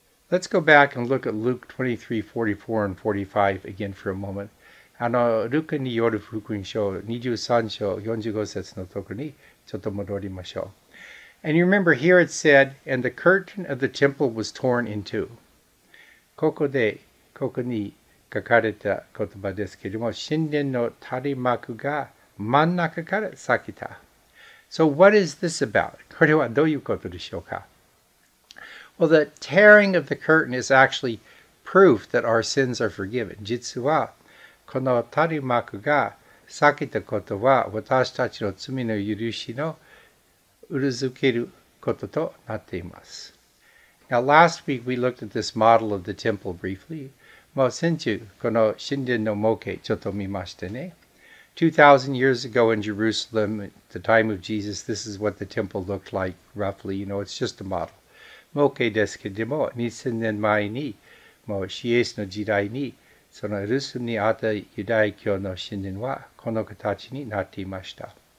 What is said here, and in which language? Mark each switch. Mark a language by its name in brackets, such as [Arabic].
[English] Let's go back and look at Luke 23:44 and 45 again for a moment. [Japanese] あのルカによる福音書23章45節のところにちょっと戻りましょう。 [English] And you remember here it said, and the curtain of the temple was torn in two. [Japanese] ここに書かれた言葉ですけれども、神殿の垂幕が真ん中から裂けた。 [English] So what is this about? [Japanese] これはどういうことでしょうか? [English] Well, the tearing of the curtain is actually proof that our sins are forgiven. [Japanese] 実はこの垂幕が裂けたことは私たちの罪の許しの裏付けることとなっています。 [English] Now, last week we looked at this model of the temple briefly. [Japanese] もう先週この神殿の模型ちょっと見ましたね。 [English] 2000 years ago in Jerusalem, at the time of Jesus, this is what the temple looked like roughly. You know, it's just a model. [Japanese] 模型ですけども、2000年前に、もうシエスの時代に、そのエルサレムにあったユダヤ教の神殿はこの形になっていました。